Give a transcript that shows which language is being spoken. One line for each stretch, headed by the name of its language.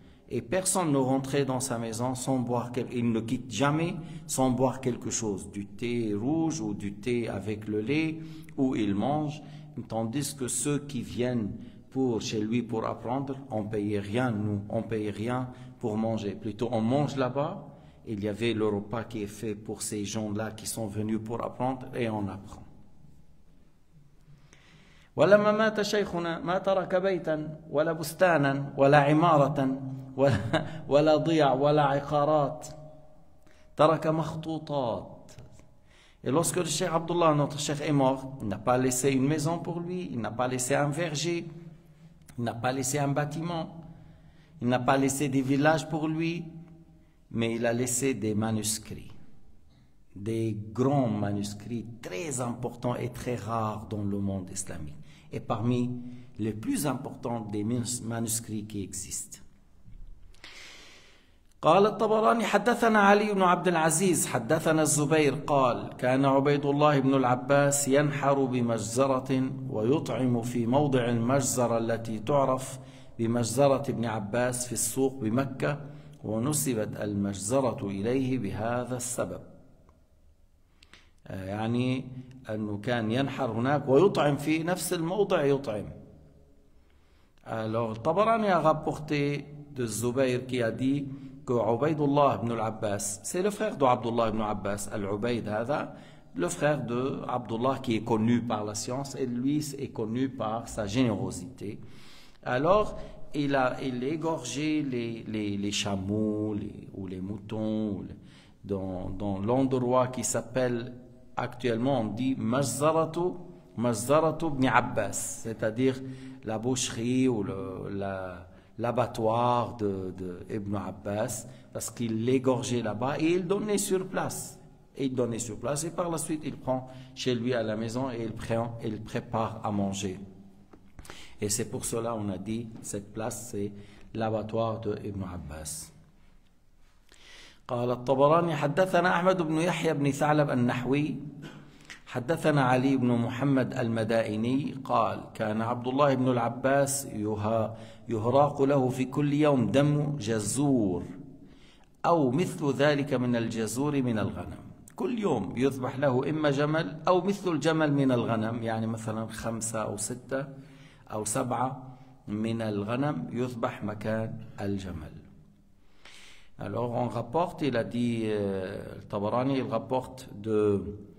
French: Et personne ne rentrait dans sa maison sans boire quelque chose. Il ne quitte jamais sans boire quelque chose, du thé rouge ou du thé avec le lait où il mange. Tandis que ceux qui viennent pour chez lui pour apprendre, on ne payait rien, nous, on ne payait rien. Pour manger. Plutôt, on mange là-bas. Il y avait le repas qui est fait pour ces gens-là qui sont venus pour apprendre et on apprend.
Arabic: ولا ما مات شيخنا ما ترك بيتا ولا بستانا ولا عمارة ولا ضيع ولا عقارات ترك مخطوطات.
French: Et lorsque le cheikh Abdullah, notre cheikh, est mort, il n'a pas laissé une maison pour lui, il n'a pas laissé un verger, il n'a pas laissé un bâtiment. Il n'a pas laissé des villages pour lui, mais il a laissé des manuscrits. Des grands manuscrits très importants et très rares dans le monde islamique. Et parmi les plus importants des manuscrits qui existent.
Arabic: قال الطبراني حدثنا علي بن عبد العزيز حدثنا الزبير قال كان عبيد الله بن العباس ينحر بمجزرة ويطعم في موضع المجزرة التي تعرف بمجزرة ابن عباس في السوق بمكة ونسبت المجزرة إليه بهذا السبب يعني أنه كان ينحر هناك ويطعم في نفس الموضع يطعم
French: Alors, Tabarani a rapporté de Zubayr qui a dit que Ubaydullah ibn al-Abbas, c'est le frère de Abdullah ibn al-Abbas, Al-Ubayd Hada, le frère de Abdullah qui est connu par la science et lui est connu par sa générosité. Alors, il égorgeait les chameaux ou les moutons dans l'endroit qui s'appelle actuellement, on dit Mazzaratu ibn Abbas, c'est-à-dire la boucherie ou l'abattoir de Ibn Abbas, parce qu'il l'égorgeait là-bas et il donnait sur place. Et il donnait sur place et par la suite, il prend chez lui à la maison et il prépare à manger. Et c'est pour cela qu'on a dit cette place, c'est l'abattoir de Ibn Abbas.
Arabic: قال الطبراني حدثنا أحمد بن يحيى بن ثعلب النحوي حدثنا علي بن محمد المدائني قال كان عبد الله بن العباس يهراق له في كل يوم دم جزور أو مثل ذلك من الجزور من الغنم كل يوم يذبح له إما جمل أو مثل الجمل من الغنم يعني مثلا خمسة أو ستة أو سبعة من الغنم يذبح مكان الجمل
French: Alors on rapporte, il a dit, Tabarani, il rapporte de